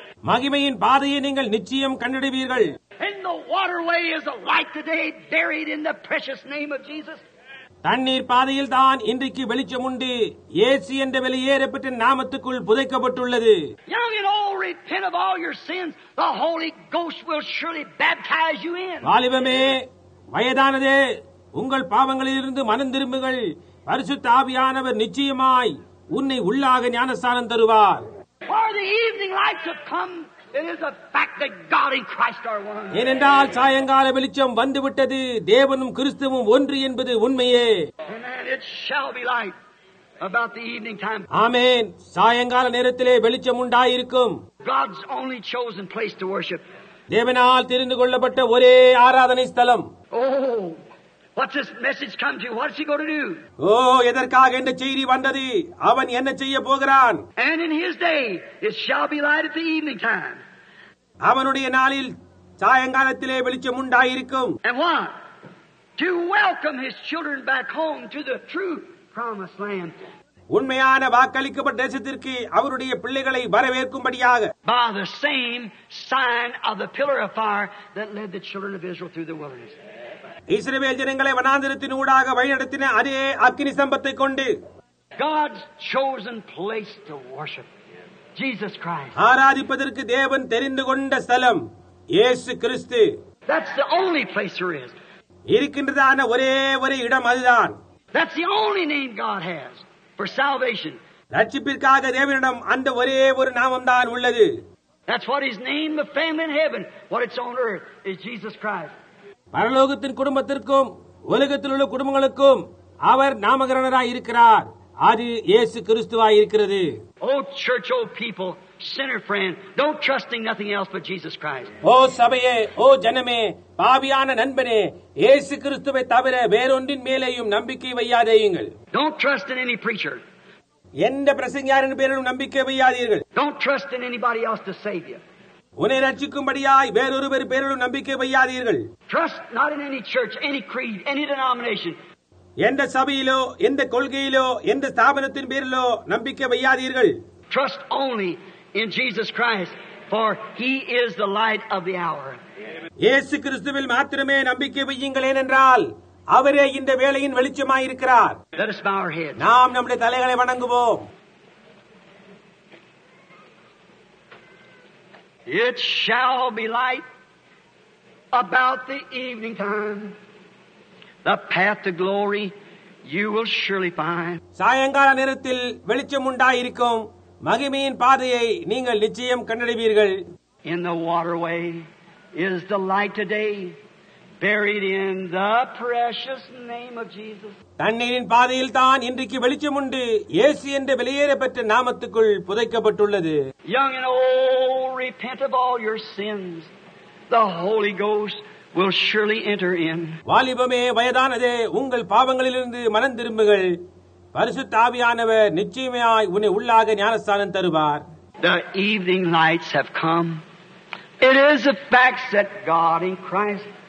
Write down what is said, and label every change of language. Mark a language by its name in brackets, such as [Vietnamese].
[Tamil] மகிமையின் பாதையை நீங்கள் நிச்சயம் கண்டிடுவீர்கள். [English] In the waterway is a light today buried in the precious name of Jesus. [Tamil] தண்ணீர் பாதையில் தான் இன்றைக்கு வெளிச்சம் உண்டு, இயேசு என்ற வெளியேறப்பட்ட நாமத்துக்குள் புதைக்கப்பட்டுள்ளது. [English] Young and old, repent of all your sins, the Holy Ghost will surely baptize you in. [Tamil] வாலிபமே, வயதானதே, உங்கள் பாவங்களிலிருந்து மனம் திரும்புங்கள், பரிசுத்த ஆவியானவர் நிச்சயமாய் உன்னை உள்ளாக ஞானஸ்நானம் தருவார். [English] For the evening lights have come. It is a fact that God and Christ are one. [Tamil] ஏனென்றால் சாயங்கால வெளிச்சம் வந்துவிட்டது, தேவனும் கிறிஸ்துவும் ஒன்று என்பது உண்மையே. [English] Amen. It shall be light about the evening time. Amen. [Tamil] சாயங்கால நேரத்திலே வெளிச்சம் உண்டாயிருக்கும். [English] God's only chosen place to worship. [Tamil] தேவனால் தெரிந்து கொள்ளப்பட்ட ஒரே ஆராதனை ஸ்தலம். [English] Oh, what's this message come to? What's he going to do? [Tamil] Oh, எதற்காக இந்த செய்தி வந்தது? அவன் என்ன செய்ய போகிறான்? [English] And in his day, it shall be light at the evening time. [Tamil] அவனுடைய நாளில் சாயங்காலத்திலே வெளிச்சம் உண்டாயிருக்கும். [English] And what? To welcome his children back home to the true promised land. [Tamil] உண்மையான வாக்களிக்கப்பட்ட தேசத்திற்கு அவருடைய பிள்ளைகளை வரவேற்கும்படியாக. [English] By the same sign of the pillar of fire that led the children of Israel through the wilderness. [Tamil] இஸ்ரவேல் ஜனங்களை வனாந்திரத்தின் ஊடாக வழிநடத்தின அதே அக்கினி சம்பத்தை கொண்டு. [English] God's chosen place to worship, Jesus Christ. [Tamil] ஆராதிப்பதற்கு தேவன் தெரிந்து கொண்ட ஸ்தலம், இயேசு கிறிஸ்து. [English] That's the only place there is. [Tamil] இருக்கின்றதான ஒரே ஒரே இடம் அதுதான். [English] That's the only name God has for salvation. [Tamil] ரட்சிப்பிற்காக தேவனிடம் அந்த ஒரே ஒரு நாமம் தான் உள்ளது. [English] That's what his name, the family in heaven, what it's on earth is Jesus Christ. [Tamil] பரலோகத்தின் குடும்பத்திற்கும் உலகத்தில் உள்ள குடும்பங்களுக்கும் அவர் நாமகரணராய் இருக்கிறார். அது இயேசு கிறிஸ்துவாய் இருக்கிறது. [English] Oh church, oh people, sinner friend, don't trust in nothing else but Jesus Christ. [Tamil] ஓ சபையே, ஓ ஜனமே, பாவியான நண்பனே, இயேசு கிறிஸ்துவை தவிர வேறொன்றின் மேலேயும் நம்பிக்கை வையாதேயுங்கள். [English] Don't trust in any preacher. [Tamil] எந்த பிரசங்கியாரின் பேரிலும் நம்பிக்கை வையாதீர்கள். [English] Don't trust in anybody else to save you. [Tamil] உன்னை ரட்சிக்கும்படியாய் வேறொருவர் பேரிலும் நம்பிக்கை வையாதீர்கள். [English] Trust not in any church, any creed, any denomination. [Tamil] எந்த சபையிலோ, எந்த கொள்கையிலோ, எந்த ஸ்தாபனத்தின் பேரிலோ நம்பிக்கை வையாதீர்கள். [English] Trust only in Jesus Christ, for he is the light of the hour. [Tamil] இயேசு கிறிஸ்துவில் மாத்திரமே நம்பிக்கை வையுங்கள். ஏனென்றால் அவரே இந்த வேளையின் வெளிச்சமாயிருக்கிறார். [English] Let us bow our heads. [Tamil] நாம் நம்முடைய தலைகளை வணங்குவோம். [English] It shall be light about the evening time. The path to glory you will surely find. [Tamil] சாயங்கால நேரத்தில் வெளிச்சம் உண்டாயிருக்கும். மகிமையின் பாதையை நீங்கள் நிச்சயம் கண்டடைவீர்கள். [English] In the waterway is the light today buried in the precious name of Jesus. [Tamil] தண்ணீரின் பாதையில் தான் இன்றைக்கு வெளிச்சம் உண்டு, இயேசு என்ற வெளியேறப்பட்ட நாமத்துக்குள் புதைக்கப்பட்டுள்ளது. [English] Young and old, repent of all your sins. The Holy Ghost will surely enter in. [Tamil] வாலிபமே, வயதானதே, உங்கள் பாவங்களிலிருந்து மனம் திரும்புங்கள், பரிசுத்த ஆவியானவர் நிச்சயமாய் உன்னை உள்ளாக ஞானஸ்நானம் தருவார். [English] The evening lights have come. It is a fact that God in Christ